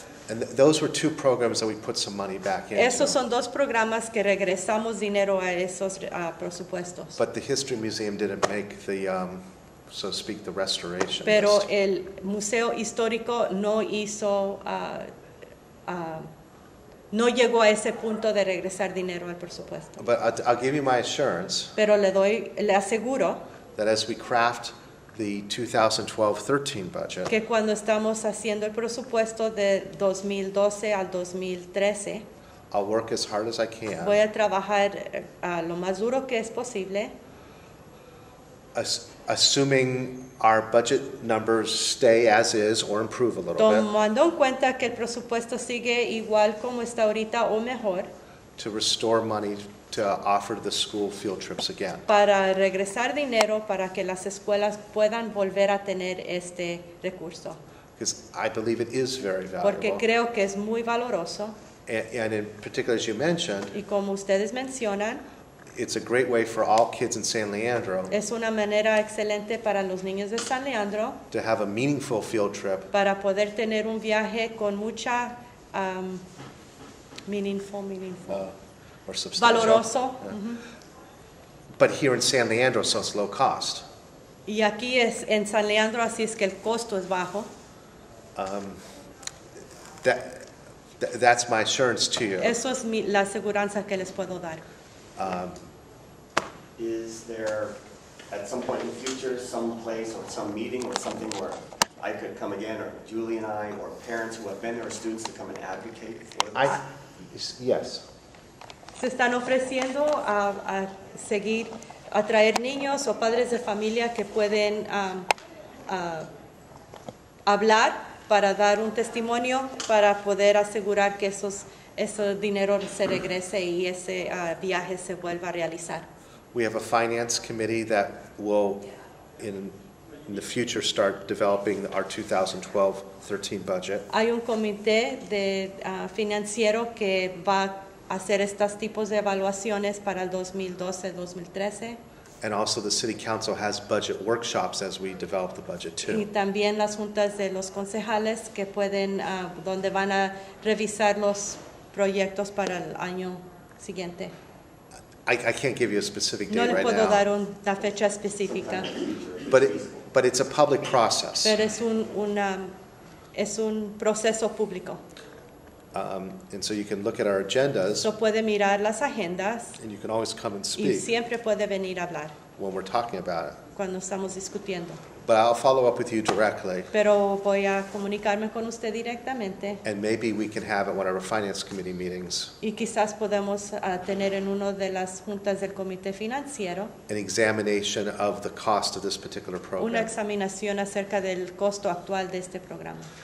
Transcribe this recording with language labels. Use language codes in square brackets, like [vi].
[en] And those were two programs that we put some money back in. [es] Esos son dos programas que regresamos dinero a esos presupuestos. [en] But the History Museum didn't make the, so to speak, the restoration. [es] Pero [en] list. [es] El Museo Histórico no hizo, no llegó a ese punto de regresar dinero al presupuesto. [en] But I'll give you my assurance. [es] Pero le aseguro. [en] That as we craft the 2012-13 budget. [es] Que cuando estamos haciendo el presupuesto de 2012 al 2013. [en] I'll work as hard as I can. [es] Voy a trabajar lo más duro que es posible. [en] Assuming our budget numbers stay as is or improve a little bit. [es] Tomando en cuenta que el presupuesto sigue igual como está ahorita o mejor. [en] To restore money to offer the school field trips again. [es] Para regresar dinero para que las escuelas puedan volver a tener este recurso. [en] Because I believe it is very valuable. [es] Porque creo que es muy valoroso. [en] And in particular, as you mentioned, [es] y como ustedes mencionan, [en] it's a great way for all kids in San Leandro. [es] Es una manera excelente para los niños de San Leandro. [en] To have a meaningful field trip. [es] Para poder tener un viaje con mucha meaningful. [en] Or substantial. [es] Valoroso. Yeah. Mm-hmm. [en] But here in San Leandro, so it's low cost. [es] Y aquí es en San Leandro, así es que el costo es bajo. [en] That's my assurance to you. [es] Eso es mi, la aseguranza que les puedo dar. [en] Is there at some point in the future some place or some meeting or something where I could come again, or Julie and I, or parents who have been there, or students to come and advocate for this? Yes. [es] Se están ofreciendo a seguir a traer niños o padres de familia que pueden hablar para dar un testimonio para poder asegurar que esos ese dinero se regrese y ese viaje se vuelva a realizar. [en] We have a finance committee that will in the future start developing our 2012-13 budget. [es] Hay un comité de financiero que va a hacer estos tipos de evaluaciones para el 2012-2013. [en] And also the city council has budget workshops as we develop the budget too. [es] Y también las juntas de los concejales que pueden donde van a revisar los proyectos para el año siguiente. [en] I can't give you a specific date [es] no [en] right now. [es] No le puedo dar una fecha específica. [en] But it's a public process. [es] Pero es un proceso público. [en] And so you can look at our agendas. [es] So puede mirar las agendas. [en] And you can always come and speak. [es] Y siempre puede venir a hablar. [en] When we're talking about it. [es] Cuando estamos discutiendo. [en] But I'll follow up with you directly. [es] Pero voy a comunicarme con usted directamente. [en] And maybe we can have at one of our finance committee meetings. [es] Y quizás podemos tener en uno de las juntas del comité financiero. [en] An examination of the cost of this particular program. [es] Una examinación acerca del costo actual de este programa.